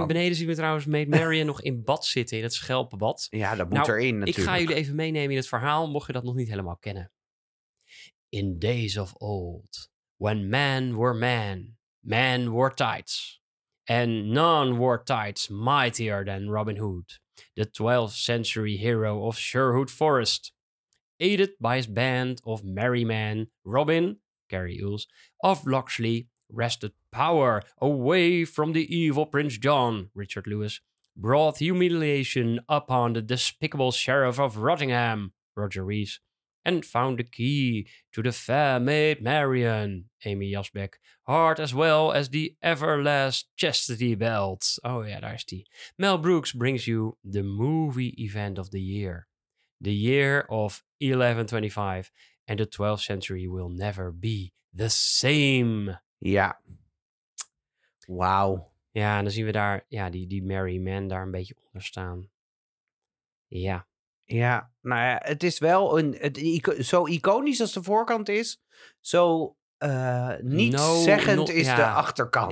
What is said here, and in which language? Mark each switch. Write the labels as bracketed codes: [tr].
[nl] En beneden zien we trouwens Maid Marian nog in bad zitten, in het schelpenbad. Ja, dat moet erin natuurlijk. Ik ga jullie even meenemen in het verhaal, mocht je dat nog niet helemaal kennen. [en] In days of old, when men were men wore tights. And none wore tights mightier than Robin Hood, the 12th century hero of Sherwood Forest. Aided by his band of merry men, Robin, Gary Ules, of Locksley, wrested power away from the evil Prince John, Richard Lewis, brought humiliation upon the despicable Sheriff of Rottingham, Roger Rees, and found the key to the fair maid Marian, Amy Jasbeck, heart as well as the everlast chastity belt. Oh yeah, there's the Mel Brooks brings you the movie event of the year. The year of 1125 and the 12th century will never be the same. [nl] Ja. Wauw. Ja, en dan zien we daar die Merry Men daar een beetje onder staan. Ja. Ja, nou ja, het is wel zo iconisch als de voorkant is, zo nietszeggend de achterkant.